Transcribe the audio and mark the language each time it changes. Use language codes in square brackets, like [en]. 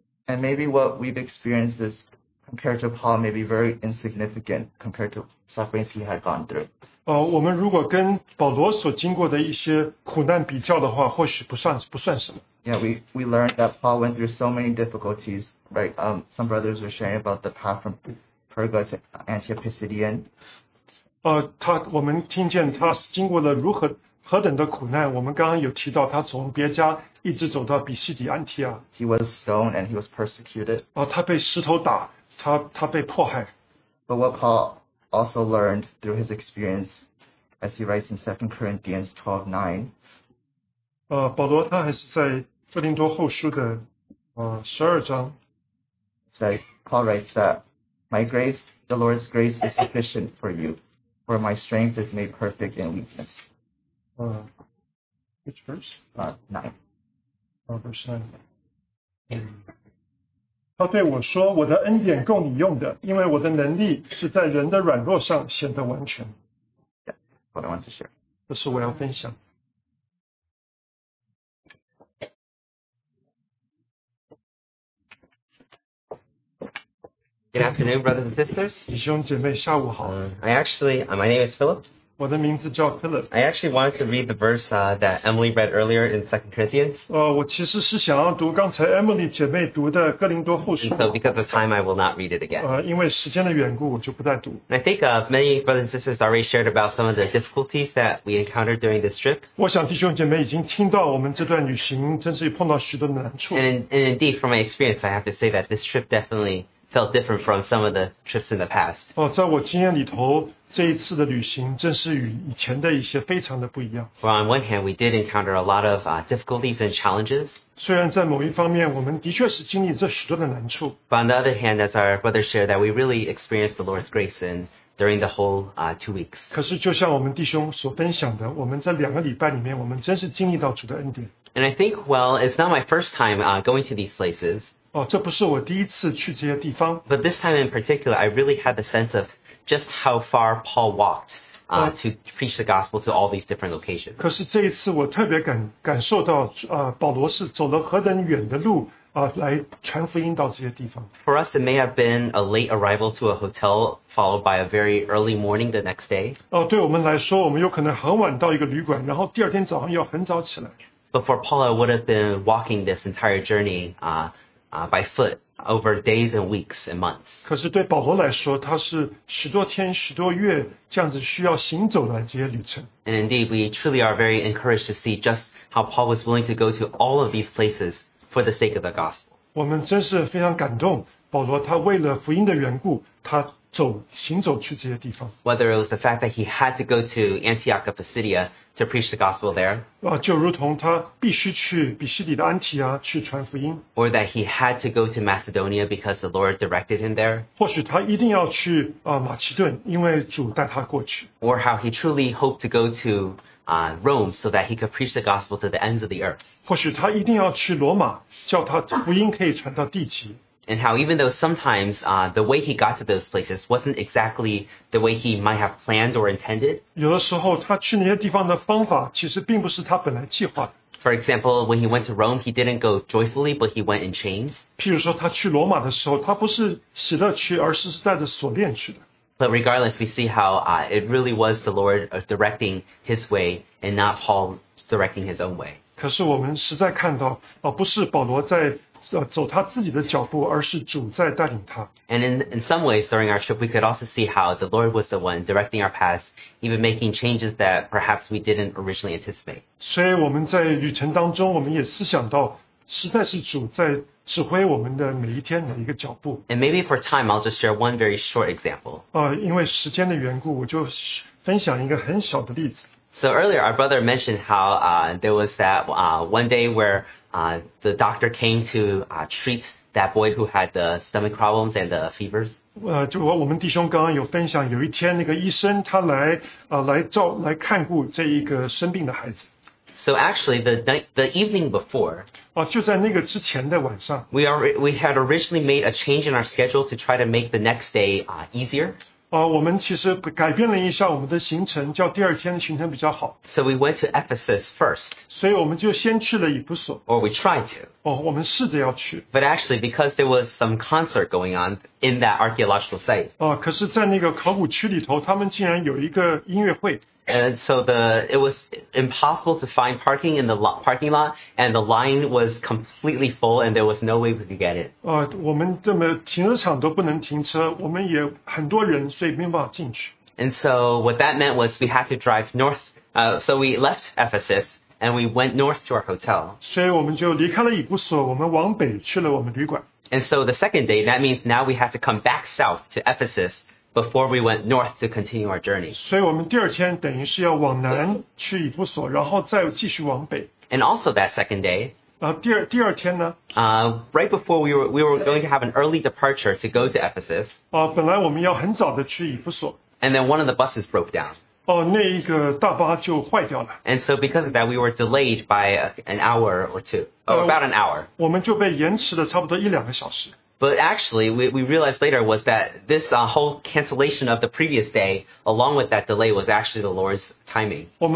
[en] And maybe what we've experienced is compared to Paul may be very insignificant compared to sufferings he had gone through. [zh] 我们如果跟保罗所经过的一些苦难比较的话，或许不算什么。 [en] Yeah, we learned that Paul went through so many difficulties, right? Some brothers were sharing about the path from Perga to Antioch Pisidia. [zh] 我们听见他经过了如何何等的苦难。我们刚刚有提到，他从别家一直走到比西底安提亚。 [en] He was stoned and he was persecuted. [zh] 他被石头打，他被迫害。 [en] But what Paul also learned through his experience, as he writes in 2 Corinthians 12:9. [zh] 保罗他还是在哥林多后书的12章。 [en] Says, Paul writes that, My grace, the Lord's grace is sufficient for you, for my strength is made perfect in weakness. Which verse? 9. Oh, verse 9. [zh] 他对我说，我的恩典供你用的，因为我的能力是在人的软弱上显得完全。 [en] Yeah, what I want to share. [zh] 这是我要分享。 [en] Good afternoon, brothers and sisters. [zh] 弟兄姐妹，下午好。 [en] My name is Philip. [zh] 我的名字叫 Philip. [en] I actually wanted to read the verse that Emily read earlier in 2 Corinthians. [zh] 我其实是想要读刚才 Emily 姐妹读的哥林多后书。 [en] And so because of time, I will not read it again. [zh] 因为时间的缘故，我就不再读。 [en] And I think many brothers and sisters already shared about some of the difficulties that we encountered during this trip. [zh] 我想弟兄姐妹已经听到我们这段旅行真是碰到许多难处。 [en] And indeed, from my experience, I have to say that this trip definitely... felt different from some of the trips in the past. [zh] 在我经验里头，这一次的旅行正是与以前的一些非常的不一样。 [en] Well, on one hand, we did encounter a lot of difficulties and challenges. [zh] 虽然在某一方面，我们的确是经历这许多的难处。 [en] But on the other hand, as our brother shared, that we really experienced the Lord's grace in during the whole 2 weeks. [zh] 可是就像我们弟兄所分享的，我们在两个礼拜里面，我们真是经历到主的恩典。 [en] And I think, well, it's not my first time going to these places. [zh] 这不是我第一次去这些地方。 [en] But this time in particular, I really had the sense of just how far Paul walked to preach the gospel to all these different locations. [zh] 可是这一次我特别感受到保罗是走了何等远的路来传福音到这些地方。 [en] For us, it may have been a late arrival to a hotel followed by a very early morning the next day. [zh] 对我们来说，我们有可能很晚到一个旅馆，然后第二天早上要很早起来。 [en] But for Paul, I would have been walking this entire journey by foot, over days and weeks and months. [zh] 可是对保罗来说，他是十多天、十多月这样子需要行走的这些旅程。 [en] And indeed, we truly are very encouraged to see just how Paul was willing to go to all of these places for the sake of the gospel. [zh] 我们真是非常感动，保罗他为了福音的缘故，他走行走去这些地方。 [en] Whether it was the fact that he had to go to Antioch of Pisidia to preach the gospel there. [zh] 就如同他必须去比西底的安提阿去传福音。 [en] Or that he had to go to Macedonia because the Lord directed him there. [zh] 或许他一定要去马其顿，因为主带他过去。 [en] Or how he truly hoped to go to Rome so that he could preach the gospel to the ends of the earth. [zh] 或许他一定要去罗马，叫他福音可以传到地极。 [en] And how even though sometimes the way he got to those places wasn't exactly the way he might have planned or intended. [zh] 有的时候他去那些地方的方法其实并不是他本来计划的。 [en] For example, when he went to Rome, he didn't go joyfully, but he went in chains. [zh] 譬如说他去罗马的时候，他不是喜乐去，而是带着锁链去的。 [en] But regardless, we see how it really was the Lord directing his way and not Paul directing his own way. [zh] 可是我们实在看到，不是保罗在走他自己的脚步，而是主在带领他。 [en] And in some ways, during our trip, we could also see how the Lord was the one directing our paths, even making changes that perhaps we didn't originally anticipate. [zh] 所以我们在旅程当中，我们也思想到，实在是主在指挥我们的每一天每一个脚步。 [en] And maybe for time, I'll just share one very short example. [zh] 因为时间的缘故，我就分享一个很小的例子。 [en] So earlier, our brother mentioned how there was that one day where the doctor came to treat that boy who had the stomach problems and the fevers. [zh] 就我们弟兄刚刚有分享，有一天那个医生他来来看顾这一个生病的孩子。 [en] So actually, the evening before, [zh] 就在那个之前的晚上 [en] we had originally made a change in our schedule to try to make the next day easier. [zh] 我们其实改变了一下我们的行程，叫第二天的行程比较好。 [en] So we went to Ephesus first. [zh] 所以我们就先去了以弗所。 [en] Or we tried to. [zh] 我们试着要去。 [en] But actually, because there was some concert going on in that archaeological site. [zh] 可是在那个考古区里头，他们竟然有一个音乐会。 [en] And so it was impossible to find parking in the parking lot, and the line was completely full, and there was no way we could get in. [zh] 我们这么停车场都不能停车，我们也很多人，所以没办法进去。 [en] And so what that meant was we had to drive north. So we left Ephesus and we went north to our hotel. [zh] 所以我们就离开了以弗所，我们往北去了我们旅馆。 [en] And so the second day, that means now we have to come back south to Ephesus before we went north to continue our journey. [zh] 所以我们第二天等于是要往南去以弗所, 然后再继续往北。 [en] And also that second day, [zh] 第二天呢? [en] Right before we were going to have an early departure to go to Ephesus, [zh] 本来我们要很早的去以弗所, [en] and then one of the buses broke down. [zh] 那一个大巴就坏掉了。 [en] And so because of that, we were delayed by an hour or two, or about an hour. [zh] 我们就被延迟了差不多一两个小时。 [en] But actually, we realized later was that this whole cancellation of the previous day, along with that delay, was actually the Lord's timing.